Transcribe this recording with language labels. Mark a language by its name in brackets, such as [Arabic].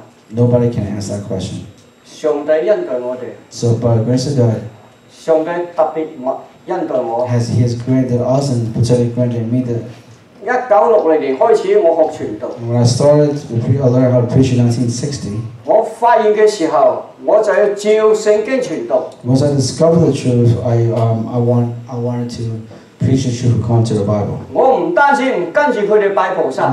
[English] Nobody can ask that question. So by the grace of God, has He has granted us and particularly granted me [Chinese] 1960年開始我學傳道。 [English] When I started to learn how to preach in 1960, [Chinese] 我發現的時候, 我就要照聖經傳道。 [English] Once I discovered the truth, I wanted to preach the truth according to the Bible. [Chinese] 我不單止不跟著他們拜菩薩。